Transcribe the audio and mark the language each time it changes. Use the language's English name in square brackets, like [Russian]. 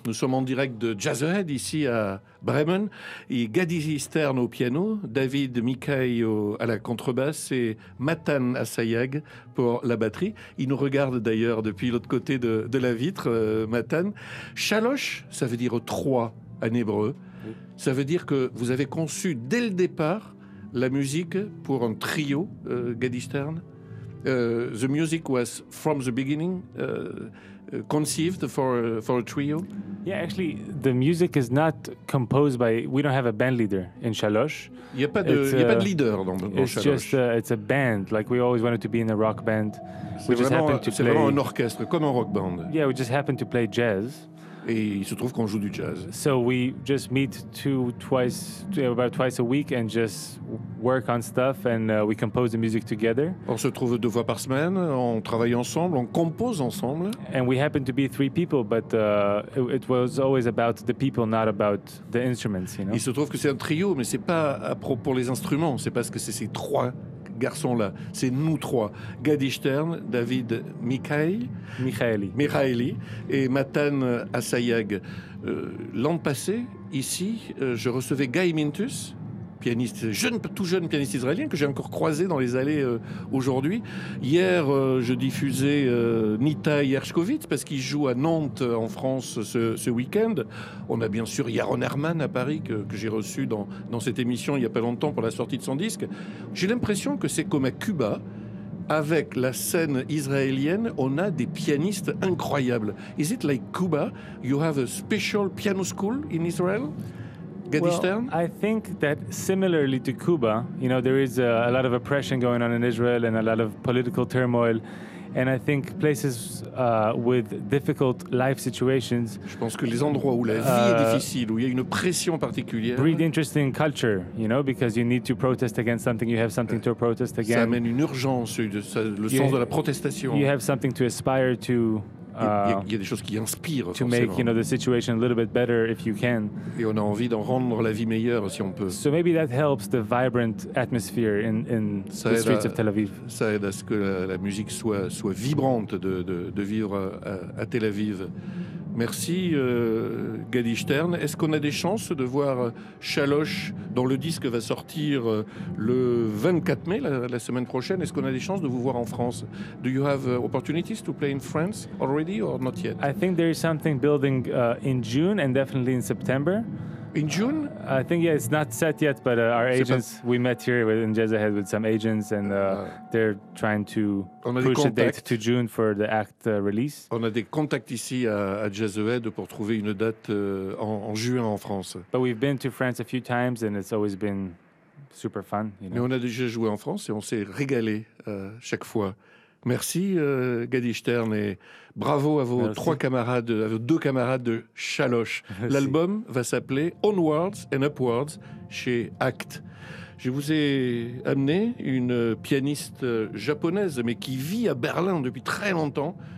[French] Nous sommes en direct de Jazzhead, ici à Bremen. Et Gaddy Stern au piano, David Mikhaï à la contrebasse et Matan Assayag pour la batterie. Il nous regarde d'ailleurs depuis l'autre côté de la vitre, Matan. Chaloche, ça veut dire trois en hébreu. Ça veut dire que vous avez conçu dès le départ la musique pour un trio, Gaddy Stern. [English] The music was from the beginning conceived for a trio. Yeah, actually, the music is not composed by. We don't have a band leader in Chaloche. [French] Il y a pas de leader dans Chaloche. [English] It's just it's a band. Like we always wanted to be in a rock band. [French] C'est vraiment un orchestre comme un rock band. [English] Yeah, we just happened to play jazz. [French] Et il se trouve qu'on joue du jazz. [English] So we just meet about twice a week and just work on stuff and we compose the music together. [French] On se trouve deux fois par semaine, on travaille ensemble, on compose ensemble. [English] And we happen to be three people, but it was always about the people, not about the instruments, you know. [French] Il se trouve que c'est un trio, mais c'est pas à propos les instruments, c'est parce que c'est ces trois garçons-là. C'est nous trois. Gaddy Stern, David Mikhaïli et Matan Assayag. L'an passé, ici, je recevais Guy Mintus, pianiste, tout jeune pianiste israélien que j'ai encore croisé dans les allées aujourd'hui. Hier, je diffusais Nitai Herskovitz parce qu'il joue à Nantes en France ce week-end. On a bien sûr Yaron Herman à Paris que j'ai reçu dans cette émission il n'y a pas longtemps pour la sortie de son disque. J'ai l'impression que c'est comme à Cuba, avec la scène israélienne, on a des pianistes incroyables. [English] Is it like Cuba? You have a special piano school in Israel? Well, I think that similarly to Cuba, you know, there is a lot of oppression going on in Israel and a lot of political turmoil. And I think places with difficult life situations. [French] Je pense que les endroits où la vie est difficile, où il y a une pression particulière. [English] Breed interesting culture, you know, because you need to protest against something, you have something to protest against. [French] Ça amène une urgence, sens de la protestation. [English] You have something to aspire to. [French] Il y a des choses qui inspirent, [English] to make, you know, the situation a little bit better if you can. [French] Et on a envie d'en rendre la vie meilleure si on peut. [English] So maybe that helps the vibrant atmosphere in the streets of Tel Aviv. [French] Ça aide à ce que la musique soit vibrante de vivre à Tel Aviv. Merci, Gaddy Stern. Est-ce qu'on a des chances de voir Chaloche, dont le disque va sortir le 24 mai, la semaine prochaine? Est-ce qu'on a des chances de vous voir en France? [English] Do you have opportunities to play in France already or not yet? I think there is something building in June and definitely in September. In June? I think, yeah, it's not set yet, but our agents, we met here in Jazzhead with some agents, and they're trying to push the date to June for the act release. [French] On a des contacts ici à Jazzhead pour trouver une date en juin en France. [English] But we've been to France a few times, and it's always been super fun. You know? [French] Mais on a déjà joué en France, et on s'est régalé chaque fois. Merci, Gaddy Stern, et bravo à vos deux camarades de Chaloche. Merci. L'album va s'appeler Onwards and Upwards chez ACT. Je vous ai amené une pianiste japonaise, mais qui vit à Berlin depuis très longtemps.